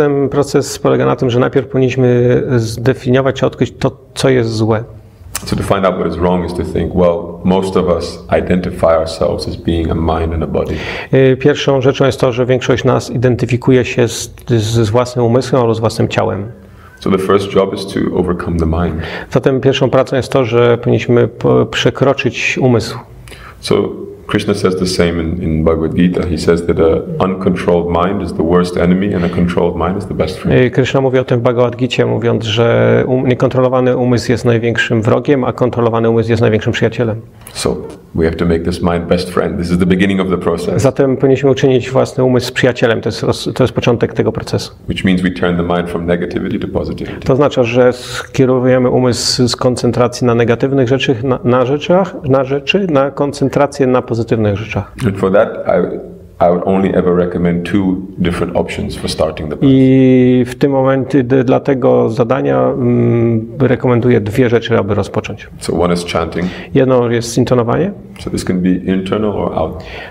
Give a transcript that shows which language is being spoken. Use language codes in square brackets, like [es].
[pl] Proces polega na tym, że najpierw powinniśmy zdefiniować, odkryć to, co jest złe. [en] So to find out what is wrong is to think, well, most of us identify ourselves as being a mind and a body. [pl] Pierwszą rzeczą jest to, że większość nas identyfikuje się z własnym umysłem oraz własnym ciałem. [en] So the first job is to overcome the mind. [pl] Zatem pierwszą pracą jest to, że powinniśmy przekroczyć umysł. [en] So Krishna says the same in Bhagavad Gita. He says that an uncontrolled mind is the worst enemy and a controlled mind is the best friend. [pl] Krishna mówi o tym w Bhagavad Gita, mówiąc, że niekontrolowany umysł jest największym wrogiem, a kontrolowany umysł jest największym przyjacielem. [en] So we have to make this mind best friend. This is the beginning of the process. [pl] Zatem powinniśmy uczynić własny umysł przyjacielem. To jest początek tego procesu. [en] Which means we turn the mind from negativity to positivity. [pl] To oznacza, że skierujemy umysł z koncentracji na negatywnych rzeczach na koncentrację na pozytywnych rzeczach. [en] And for that I would only ever recommend two different options for starting the [pl] process. I w tym momencie dla tego zadania rekomenduję dwie rzeczy, aby rozpocząć. [en] So one is chanting. [pl] Jedno jest intonowanie. [en] So this can be internal or out.